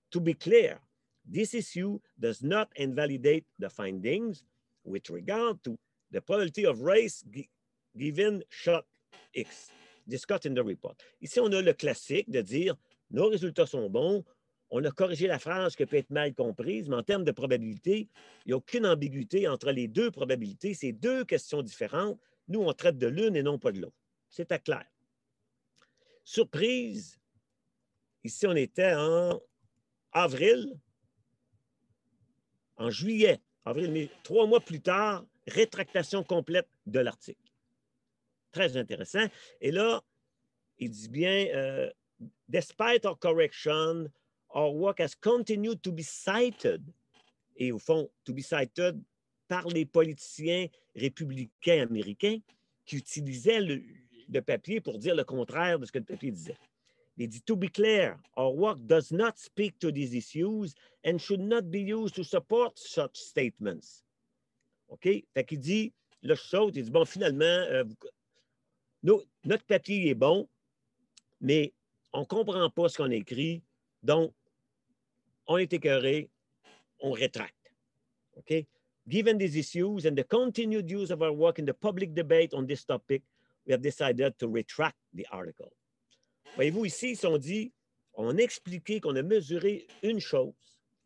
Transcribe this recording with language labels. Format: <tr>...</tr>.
<en>To be clear, this issue does not invalidate the findings with regard to the probability of race given shot X, discussed in the report.</en> <fr>Ici, on a le classique de dire nos résultats sont bons, on a corrigé la phrase qui peut être mal comprise, mais en termes de probabilité, il n'y a aucune ambiguïté entre les deux probabilités. C'est deux questions différentes. Nous, on traite de l'une et non pas de l'autre. C'est à clair. Surprise, ici, on était en avril, en juillet, avril, mais trois mois plus tard, rétractation complète de l'article. Très intéressant. Et là, il dit bien, «</fr> <en>Despite our correction, our work has continued to be cited.</en> <fr>» Et au fond, «</fr> <en>to be cited</en> <fr>» par les politiciens républicains américains qui utilisaient le papier pour dire le contraire de ce que le papier disait. Il dit,</fr> <en>« To be clear, our work does not speak to these issues and should not be used to support such statements. » OK?</en> <fr>Fait qu'il dit, là, je saute, il dit, « Bon, finalement, notre papier est bon, mais on ne comprend pas ce qu'on écrit, donc on est écœuré, on rétracte. » OK?</fr> <en>« Given these issues and the continued use of our work in the public debate on this topic, we have decided to retract the article. »</en> <fr>Voyez-vous, ici, ils sont dit, on a expliqué qu'on a mesuré une chose.</fr>